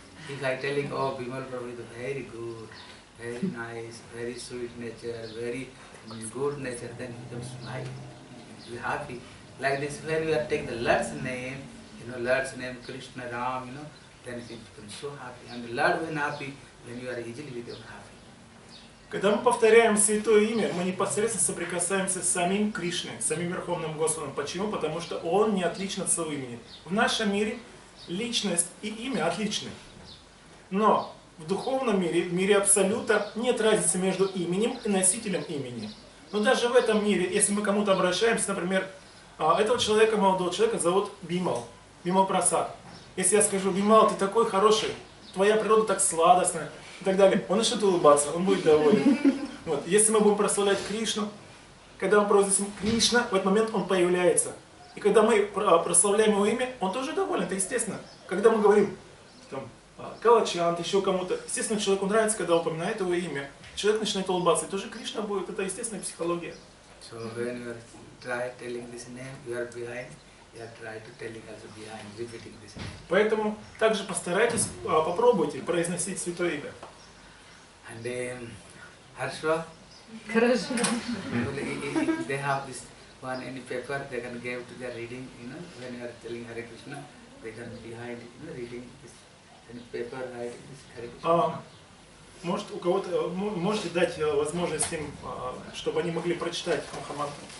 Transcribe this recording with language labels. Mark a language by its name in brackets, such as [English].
[English] If I telling, oh, Bimal Prabhu is very good, very nice, very sweet nature, very good nature, then he becomes smiling, be happy. Like this, when you are taking the Lord's name, you know, Lord's name, Krishna, Ram, you know, then he becomes so happy. And the Lord when happy, then you are easily become happy. [Russian] Когда мы повторяем святое имя, мы непосредственно соприкасаемся с самим Кришной, с самим Верховным Господом. Почему? Потому что Он не отличен от своего имени. В нашем мире личность и имя отличны. Но в духовном мире, в мире Абсолюта, нет разницы между именем и носителем имени. Но даже в этом мире, если мы кому-то обращаемся, например, этого человека, молодого человека, зовут Бимал, Бимал Прасад. Если я скажу, Бимал, ты такой хороший, твоя природа так сладостная, и так далее, он начнет улыбаться, он будет доволен. Вот. Если мы будем прославлять Кришну, когда мы произносим Кришна, в этот момент он появляется. И когда мы прославляем его имя, он тоже доволен, это естественно. Когда мы говорим, там, Калачант, еще кому-то, естественно, человеку нравится, когда упоминает его имя. Человек начинает улыбаться, и тоже Кришна будет, это естественная психология. [English] So when you are try telling this name, you are behind, you are try to telling us behind, repeating this name. [Russian] Поэтому также постарайтесь, попробуйте произносить святое имя. [English] And then, Harshva? [Russian] Хорошо. [English] They have this one any paper they can give to their reading, you know, when you are telling Hare Krishna, they can behind, you know, reading this any paper, writing this Hare Krishna. [Russian] Может, у кого-то, можете дать возможность им, чтобы они могли прочитать Махамантру?